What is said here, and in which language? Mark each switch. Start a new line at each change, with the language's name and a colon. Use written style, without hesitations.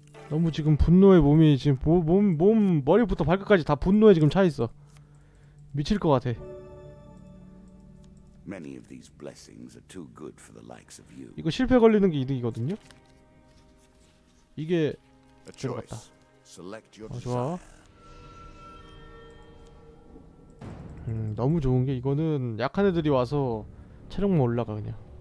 Korean: 너무 지금 분노의 몸이 지금 몸 머리부터 발끝까지 다 분노에 지금 차 있어. 미칠 것 같아.
English: Many of these blessings are too good for the likes of you.
Korean: 이거 실패 걸리는 게 이득이거든요. 이게 들어갔다. 좋아. 너무 좋은 게 이거는 약한 애들이 와서 체력만 올라가 그냥.